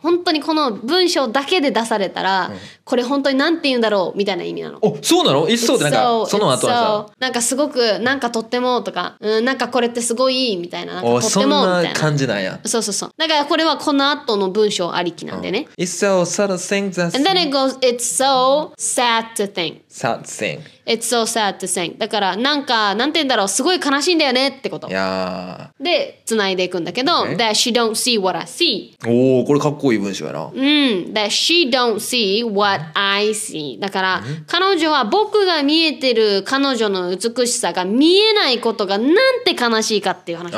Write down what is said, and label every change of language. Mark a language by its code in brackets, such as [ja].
[ja] 本当にこの文章だけで出されたら、うん、これ本当になんて言うんだろうみたいな意味なの。お、そうなの？it's so ってなんか so, その後はさ、なんかすごくなんかとってもとか、うん、なんかこれってすごいみたいな、なんかとってもみたいな。そんな感じなんや。そうそうそう。だからこれはこの後の文章ありきなんでね。 [en] うん、it's so sad to think that. And then it goes, it's so sad to think. Sad thing. It's so sad to think. [ja] だからなんかなんて言うんだろう、すごい悲しいんだよねってこと。いやで繋いでいくんだけど、 [en] okay. That she don't see what I see. [ja] おお、これかっこいい文章やな。 [en] うん。That she don't see what I see. [ja] だから彼女は僕が見えてる彼女の美しさが見えないことがなんて悲しいかっていう話です。